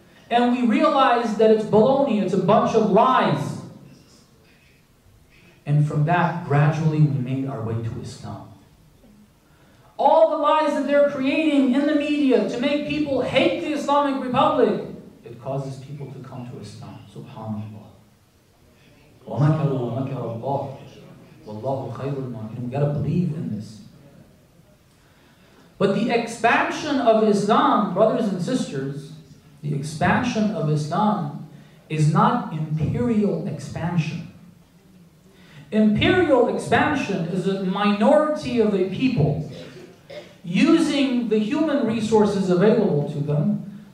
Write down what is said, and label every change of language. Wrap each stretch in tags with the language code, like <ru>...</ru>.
<en>And we realized that it's baloney, it's a bunch of lies. And from that, gradually we made our way to Islam. All the lies that they're creating in the media to make people hate the Islamic Republic, it causes people to come to Islam. SubhanAllah.</en> <ar>وَمَكَرُوا وَمَكَرَ اللَّهُ وَاللَّهُ خَيْرُ الْمَاكِرِينَ</ar> <en>We gotta believe in this. But the expansion of Islam, brothers and sisters, the expansion of Islam is not imperial expansion. Imperial expansion is a minority of a people using the human resources available to them</en>